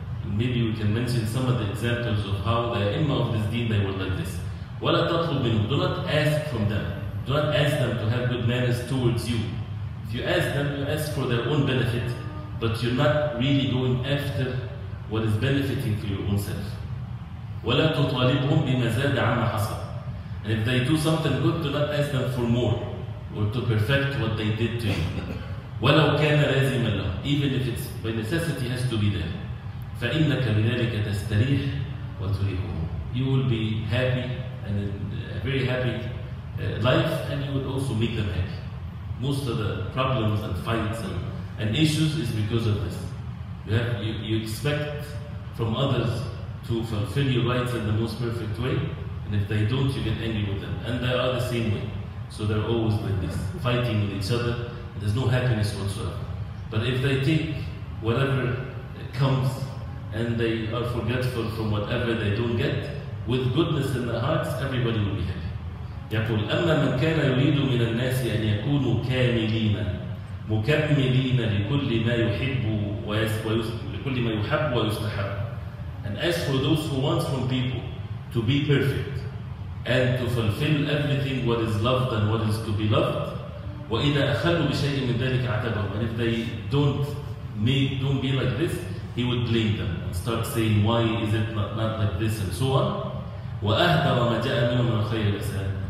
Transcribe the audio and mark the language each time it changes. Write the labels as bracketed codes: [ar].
[en] Maybe we can mention some of the examples of how the imam of this deen, they were like this. [ar] ولا تطلب منه. [en] Do not ask from them. Do not ask them to have good manners towards you. If you ask them, you ask for their own benefit, but you're not really going after what is benefiting for your own self. [ar] ولا تطالبهم بما زاد عما حصل. [en] And if they do something good, do not ask them for more or to perfect what they did to you. [ar] ولو كان لازما له. [en] Even if it's by necessity, has to be there. [ar] فإنك بذلك تستريح وتريحهم. [en] You will be happy and a very happy life, and you would also make them happy. Most of the problems and fights and issues is because of this. You expect from others to fulfill your rights in the most perfect way, and if they don't, you get angry with them. And they are the same way. So they're always like this, fighting with each other, and there's no happiness whatsoever. But if they take whatever comes and they are forgetful from whatever they don't get, with goodness in their hearts, everybody will be happy. [ar] يقول أما من كان يريد من الناس أن يكونوا كاملين مكملين لكل ما يحب لكل ما يحب ويستحب. [en] And as for those who want from people to be perfect and to fulfill everything what is loved and what is to be loved, [ar] وإذا أخلوا بشيء من ذلك عتبهم. [en] And if they don't be like this, he would blame them and start saying why is it not like this and so on. [ar] وأهدر ما جاء منه من الخير والإحسان.